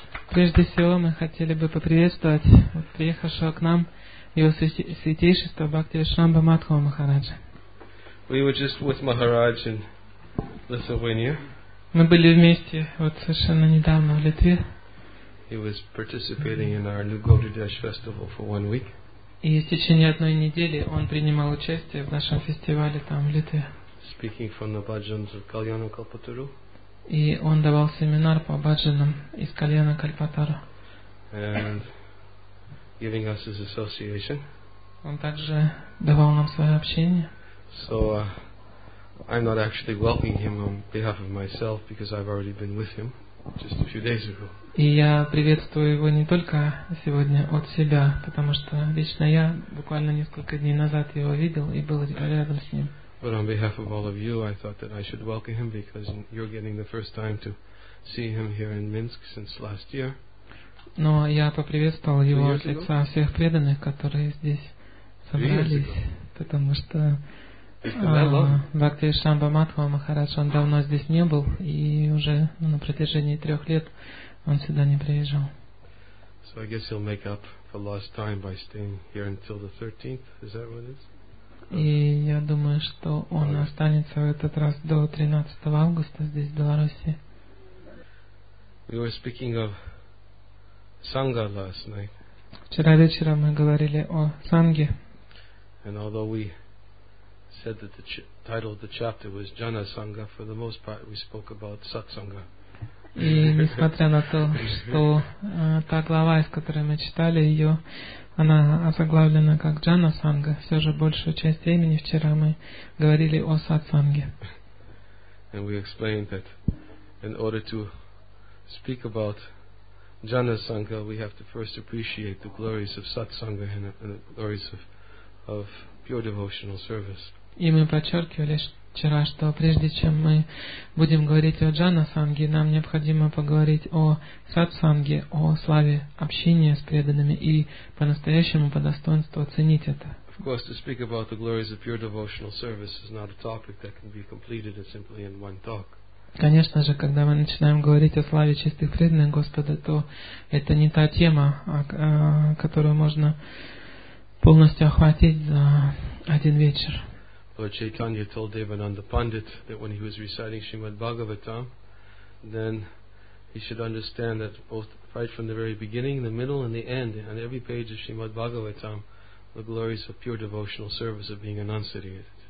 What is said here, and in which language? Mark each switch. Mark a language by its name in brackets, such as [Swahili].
[Russian] Прежде всего, мы хотели бы поприветствовать приехавшего к нам Его Святейшество Бхакти Вишвамбу Мадхава Махараджа. [English] We were just with Maharaj in Lithuania. [Russian] Мы были вместе вот совершенно недавно в Литве. [English] He was participating in our new Gaudiya festival for 1 week. [Russian] И в течение одной недели он принимал участие в нашем фестивале там в Литве. [English] Speaking from the bhajans of Kalyana Kalpataru. [Russian] И он давал семинар по баджанам из Кальяна Кальпатару. [English] And giving us his association. [Russian] Он также давал нам свое общение. [English] So I'm not actually welcoming him on behalf of myself because I've already been with him just a few days ago. [Russian] И я приветствую его не только сегодня от себя, потому что лично я буквально несколько дней назад его видел и был рядом с ним. [English] But on behalf of all of you, I thought that I should welcome him because you're getting the first time to see him here in Minsk since last year. [Russian] Но я поприветствовал его от лица всех преданных, которые здесь собрались, потому что Бхакти Вишвамба Мадхава Махарадж, он давно здесь не был, и уже на протяжении 3 лет он сюда не приезжал. [English] So I guess he'll make up for lost time by staying here until the 13th, is that what it is? [Russian] И я думаю, что он останется в этот раз до 13 августа здесь, в Беларуси. [English] We were speaking of Sangha last night. [Russian] Вчера вечером мы говорили о Санге. [English] And although we said that the title of the chapter was Jana Sangha, for the most part we spoke about Satsanga. [Russian] И несмотря на то, что та глава, из которой мы читали ее, она озаглавлена как Джана Санга, все же большую часть времени вчера мы говорили о сатсанге. [English] And we explained that in order to speak about Jana Sangha, we have to first appreciate the glories of satsanga and the glories of pure devotional service. [Russian] И мы подчеркивали вчера, что прежде чем мы будем говорить о джана-санге, нам необходимо поговорить о сат-санге, о славе общения с преданными и по-настоящему, по достоинству оценить это. [English] Of course, to speak about the glories of pure devotional service is not a topic that can be completed simply in one talk. [Russian] Конечно же, когда мы начинаем говорить о славе чистых преданных Господа, то это не та тема, которую можно полностью охватить за один вечер. [English] Lord Chaitanya told Devananda Pandit that when he was reciting Srimad Bhagavatam, then he should understand that both right from the very beginning, the middle, and the end, on every page of Srimad Bhagavatam, the glories of pure devotional service are being enunciated.